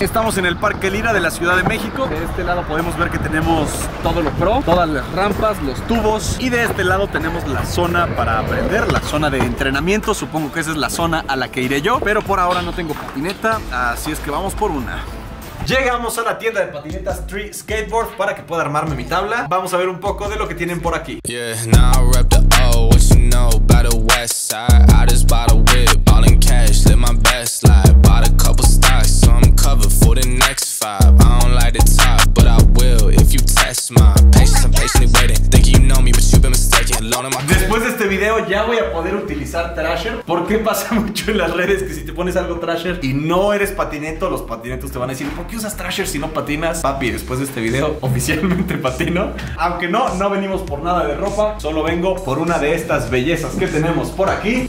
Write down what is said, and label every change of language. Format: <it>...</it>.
<es>Estamos en el Parque Lira de la Ciudad de México. De este lado podemos ver que tenemos todo lo pro, todas las rampas, los tubos. Y de este lado tenemos la zona para aprender, la zona de entrenamiento. Supongo que esa es la zona a la que iré yo. Pero por ahora no tengo patineta, así es que vamos por una. Llegamos a la tienda de patinetas Tree Skateboard para que pueda armarme mi tabla. Vamos a ver un poco de lo que tienen por aquí.</es> <en>Yeah, now I rep the O, what you know about the west side. I just bought a whip, all in cash, live my best life. Bought a couple stocks, so I'm covered for the next five. I don't like the top, but I will if you test my patience. I'm patiently waiting, think you know me, but you've been mistaken. Alone in my...</en> <es>Después de este video ya voy a poder utilizar Thrasher. ¿Por qué pasa mucho en las redes que si te pones algo Thrasher y no eres patineto, los patinetos te van a decir, ¿por qué usas Thrasher si no patinas? Papi, después de este video, oficialmente patino. Aunque no, no venimos por nada de ropa, solo vengo por una de estas bellezas que tenemos por aquí.</es>